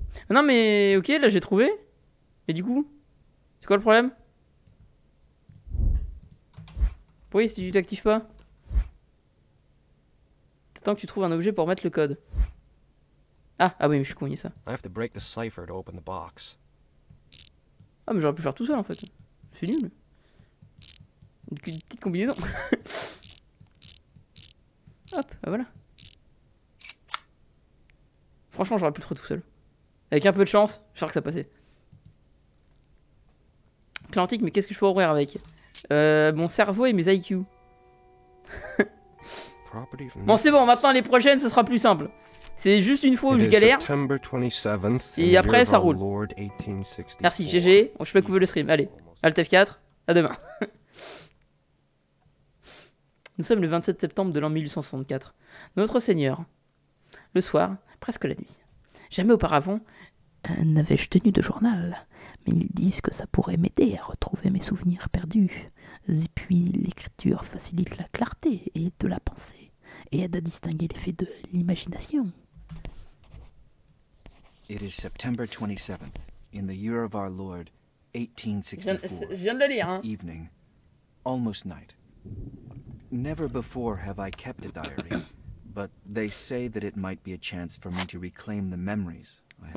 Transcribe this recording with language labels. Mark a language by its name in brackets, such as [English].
[French] Non mais ok, là j'ai trouvé. Mais du coup, c'est quoi le problème? Oui, si tu t'actives pas. T'attends que tu trouves un objet pour mettre le code. Ah oui, mais je suis con, il y a ça. [English] I have to break the cipher to open the box. [French] Ah mais j'aurais pu faire tout seul en fait. C'est nul. Une petite combinaison. Hop, ah voilà. Franchement, j'aurais pu le trouver tout seul. Avec un peu de chance, je crois que ça passait. Clé antique, mais qu'est-ce que je peux ouvrir avec? Mon cerveau et mes IQ. Bon, c'est bon, maintenant les prochaines, ce sera plus simple. C'est juste une fois où je galère. [English] September 27th, [French] et après, ça roule. Lord, merci, GG. Bon, je peux couper le stream. Allez, Alt F4, à demain. Nous sommes le 27 septembre de l'an 1864. Notre Seigneur, le soir, presque la nuit. Jamais auparavant n'avais-je tenu de journal, mais ils disent que ça pourrait m'aider à retrouver mes souvenirs perdus. Et puis l'écriture facilite la clarté et de la pensée, et aide à distinguer l'effet de l'imagination. [English] It is September 27th, in the year of our Lord, 1864. [French] Je viens de le lire, hein. [English] Evening, almost night. Never before have I kept a diary, but they say that it might be a chance for me to reclaim the memories I have